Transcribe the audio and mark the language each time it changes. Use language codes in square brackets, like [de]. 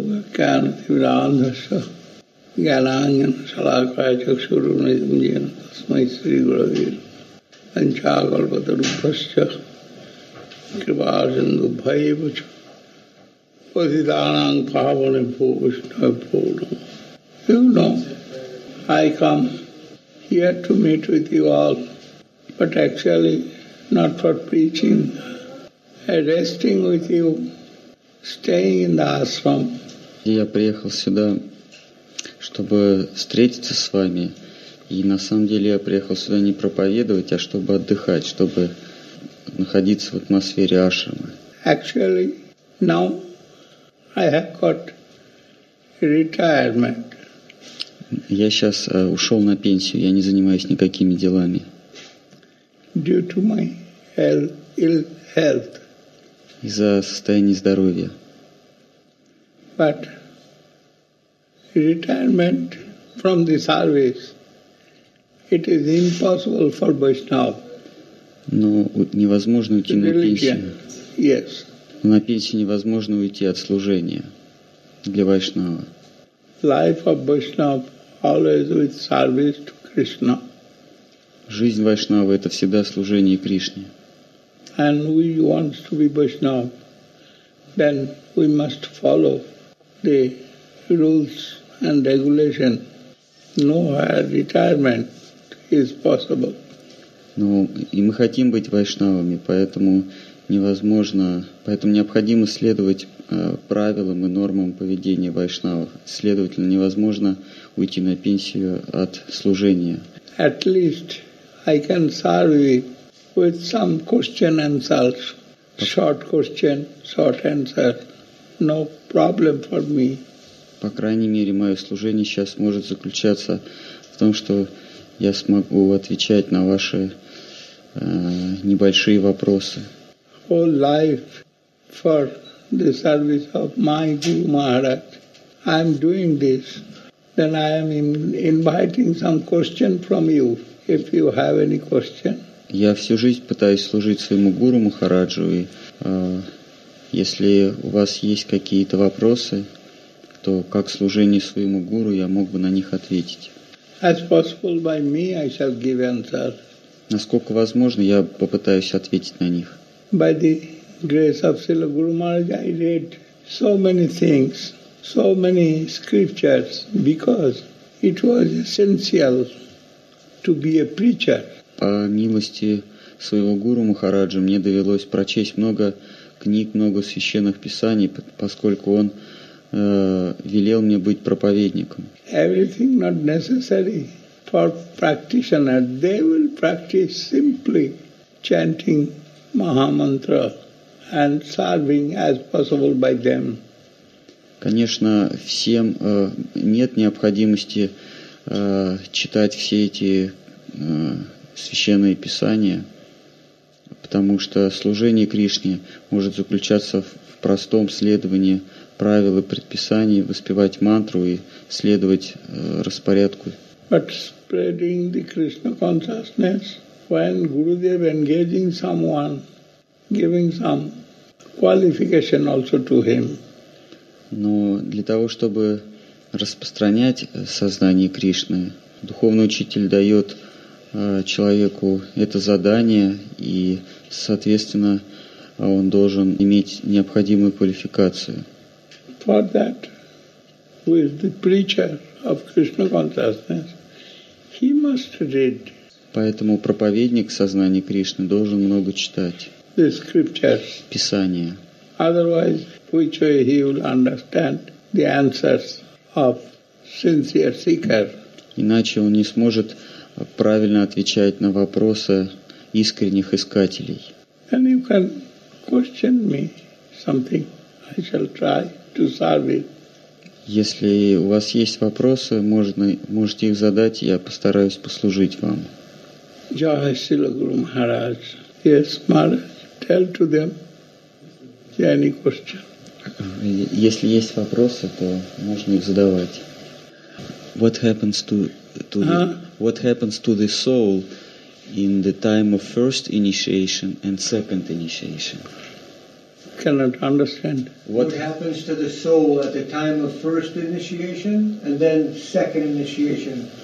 [en] kell kívülállni, és a gelányon találkozni, csak szorul nézni, hogy ilyen, azt majd szívül a vér. Én csákalba darúgasztja, kiválzendó bhajébe, csak az idálánk pávon egy fókosnál fóldom. You know, I come here to meet with you all, but actually not for preaching. Resting with you, staying in the ashram. [ru] Я приехал сюда, чтобы встретиться с вами. И на самом деле я приехал сюда не проповедовать, а чтобы отдыхать, чтобы находиться в атмосфере ашрама. [en] Actually, now I have got retirement. [ru] Я сейчас ушел на пенсию, я не занимаюсь никакими делами. [en] Due to my ill health. [ru] Из-за состояния здоровья. [en] But retirement from the service, it is impossible for Vaishnav. [ru] Но невозможно уйти на пенсию. [en] Yes. [ru] На пенсию невозможно уйти от служения для Вайшнава. [en] Life of Vaishnav always with service to Krishna. [ru] Жизнь Вайшнава — это всегда служение Кришне. [en] And we want to be Vaishnav, then we must follow the rules and regulation. Nowhere retirement is possible. [ru] Ну, и мы хотим быть вайшнавами, поэтому невозможно, поэтому необходимо следовать правилам и нормам поведения вайшнавов. Следовательно, невозможно уйти на пенсию от служения. [en] At least I can serve with some question answers, short question, short answer, no problem for me. [ru] По крайней мере, мое служение сейчас может заключаться в том, что я смогу отвечать на ваши небольшие вопросы. [en] Whole life for the service of my Guru Maharaj. I am doing this. Then I am inviting some question from you, if you have any question. [ru] Я всю жизнь пытаюсь служить своему гуру Махараджу, и если у вас есть какие-то вопросы, то как служение своему гуру я мог бы на них ответить. [en] As possible by me, I shall give answer. [ru] Насколько возможно, я попытаюсь ответить на них. [en] By the grace of Srila Guru Maharaj, I read so many things, so many scriptures, because it was essential to be a preacher. [ru] По милости своего гуру Махараджа мне довелось прочесть много книг, много священных писаний, поскольку он велел мне быть проповедником. [en] Everything not necessary for practitioner, they will practice simply chanting Mahamantra and serving as possible by them. [ru] Конечно, всем нет необходимости читать все эти священное писание, потому что служение Кришне может заключаться в простом следовании правил и предписаний, воспевать мантру и следовать распорядку. [en] But spreading the Krishna consciousness, when Gurudev engaging someone, giving some qualification also to him. [ru] Но для того, чтобы распространять сознание Кришны, духовный учитель дает человеку это задание, и, соответственно, он должен иметь необходимую квалификацию. [en] For that, who is the preacher of Krishna consciousness, he must read. [ru] Поэтому проповедник сознания Кришны должен много читать. [en] The scriptures. [ru] Писание. [en] Otherwise, which way he will understand the answers of sincere seeker. [ru] Иначе он не сможет правильно отвечать на вопросы искренних искателей. [en] Then you can question me something. I shall try to solve it. [ru] Если у вас есть вопросы, можете их задать, я постараюсь послужить вам. [en] Jai Srila Guru Maharaj. Yes, Maharaj, tell to them any question. [ru] Если есть вопросы, то можно их задавать. [en] What happens to the... What happens to the soul in the time of first initiation and second initiation? cannot understand. What happens to the soul at the time of first initiation and then second initiation?